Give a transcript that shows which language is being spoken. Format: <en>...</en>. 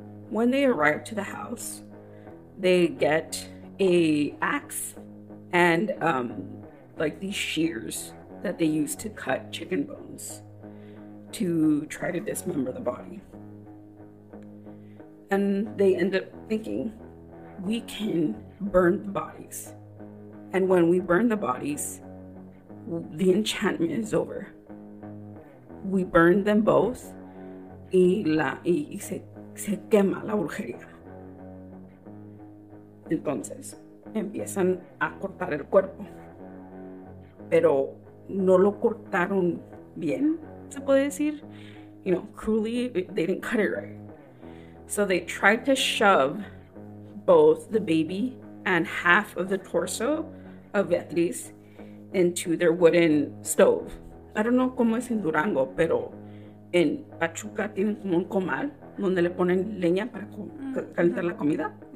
<en>When they arrive to the house, they get a axe and like these shears that they use to cut chicken bones to try to dismember the body. And they end up thinking, we can burn the bodies. And when we burn the bodies, the enchantment is over. We burn them both,</en> <es>y se quema la brujería. Entonces, empiezan a cortar el cuerpo. Pero no lo cortaron bien, se puede decir.</es> <en>You know, cruelly, they didn't cut it right. So they tried to shove both the baby and half of the torso of Beatriz into their wooden stove. I don't know</en> <es>cómo es en Durango, pero en Pachuca tienen como un comal donde le ponen leña para calentar la comida.</es>